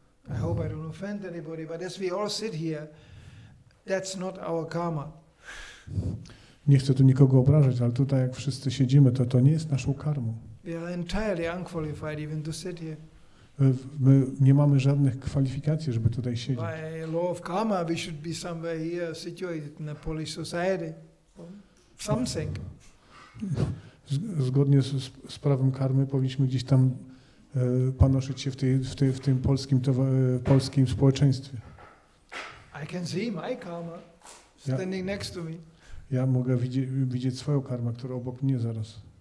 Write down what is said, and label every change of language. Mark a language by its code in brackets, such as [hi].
[en] I hope I don't offend anybody, but as we all sit here, that's not our karma. [pl] Nie chcę tu nikogo obrażać, ale tutaj jak wszyscy siedzimy, to nie jest naszą karmą. [en] We are entirely unqualified even to sit here. [pl] My nie mamy żadnych kwalifikacji, żeby tutaj siedzieć. [en] By law of karma, we should be somewhere here situated in a Polish society. Something. [pl] Zgodnie z prawem karmy powinniśmy gdzieś tam panoszyć się w tym polskim społeczeństwie. [en] I can see my karma standing next to me. [pl] Ja mogę widzieć swoją karmę, która obok mnie zaraz.